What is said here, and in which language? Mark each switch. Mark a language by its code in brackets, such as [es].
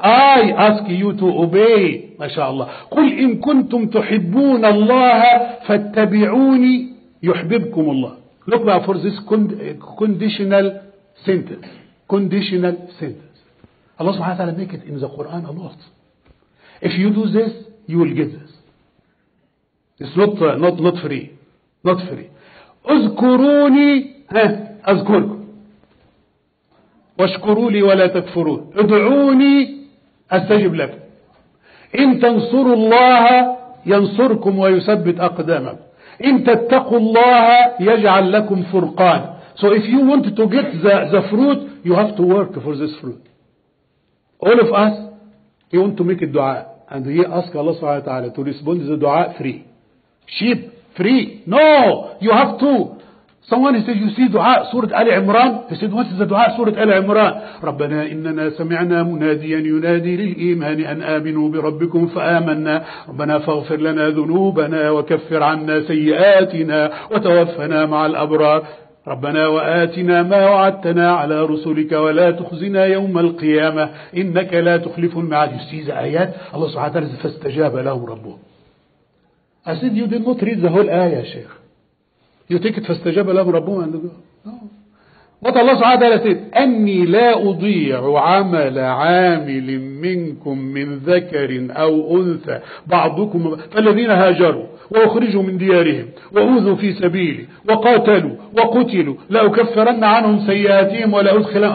[en] I ask you to obey, mashallah. [ar] قُلْ إِن كُنْتُمْ تُحِبُّونَ اللَّهَ فَاتَّبِعُونِ يُحْبِبْكُمُ اللَّهِ. [en] Look now for this conditional sentence. Allah subhanahu wa ta'ala make it in the Quran a lot. If you do this, you will get this. It's not free. [ar] اذكروني اذكركم واشكروا لي ولا تكفرون ادعوني استجب لكم ان تنصروا الله ينصركم ويثبت اقدامكم ان تتقوا الله يجعل لكم فرقان. [en] So if you want to get the fruit, you have to work for this fruit. All of us, he want to make a dua, and he ask Allah subhanahu wa ta'ala to respond to the dua free. Sheep free? No, you have to. Someone, he said, you see dua, Surah Ali Imran? He said, what is the dua, Surah Ali Imran? [ar] رَبَّنَا إِنَّنَا سَمِعْنَا مُنَادِيًا يُنَادِي لِلْإِيمَانِ أَنْ آمِنُوا بِرَبِّكُمْ فَآمَنَّا رَبَّنَا فَاغْفِرْ لَنَا ذُنُوبَنَا وَكَفِّرْ عَنَّا سَيِّئَاتِنَا وَتَوَفَّنَا مَعَ الْأَبْرَارِ رَبَّنَا وَآتِنَا مَا وَعَدْتَنَا عَلَى رُسُلِكَ وَلَا تُخْزِنَا يَوْمَ الْقِيَامَةِ إِنَّكَ لَا تُخْلِفُ الْمِيعَادَ. [en] You see the ayat? [ar] Allah subhanahu wa ta'ala, فَاسْتَجَابَ لَهُمْ رَبُّهُمْ. [en] I said, you did not read the whole ayah, Shaykh. You take it, [ar] فَاسْتَجَابَ لَهُمْ رَبُّهُمْ, [en] and go, no. What Allah subhanahu wa ta'ala said, [ar] أَنِّي لَا أُضِيعُ عَمَلَ عَامِلٍ مِّنْكُمْ مِّنْ ذَكَرٍ أَوْ أُنْثَى بَعْضُكُمْ فَالَّذِينَ هَاجَرُوا وأخرجوا من ديارهم وأوذوا في سبيلي وقاتلوا وقتلوا لأكفرن عنهم سيئاتهم ولا أدخلن.